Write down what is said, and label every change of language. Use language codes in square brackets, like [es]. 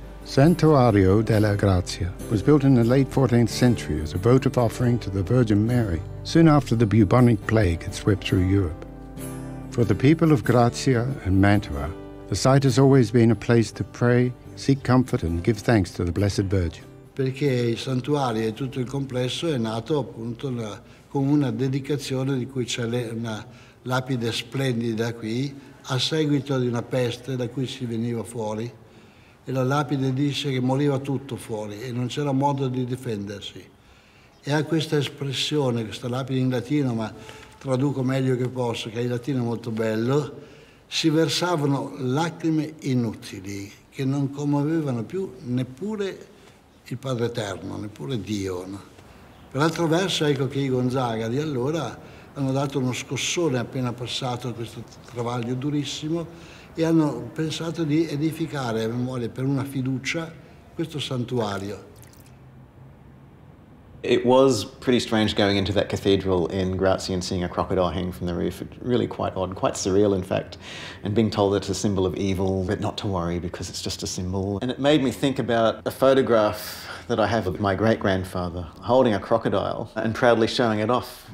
[en] Santuario della Grazia was built in the late 14th century as a votive offering to the Virgin Mary, soon after the bubonic plague had swept through Europe. For the people of Grazia and Mantua, the site has always been a place to pray, seek comfort, and give thanks to the Blessed Virgin. [it] Perché il santuario e tutto il complesso è nato appunto con una dedicazione di cui c'è una lapide splendida qui a seguito di una peste da cui si veniva fuori e la lapide dice che moriva tutto fuori e non c'era modo di difendersi. E ha questa espressione, questa lapide in latino, ma traduco meglio che posso, che in latino è molto bello, si versavano lacrime inutili che non commuovevano più neppure il Padre Eterno, neppure Dio. No? Per altro verso, ecco che i Gonzaga di allora hanno dato uno scossone appena passato questo travaglio durissimo e hanno pensato di edificare a memoria per una fiducia questo santuario. [en] It was pretty strange going into that cathedral in Grazia and seeing a crocodile hang from the roof. Really quite odd, quite surreal in fact, and being told that it's a symbol of evil, but not to worry because it's just a symbol. And it made me think about a photograph that I have of my great-grandfather holding a crocodile and proudly showing it off.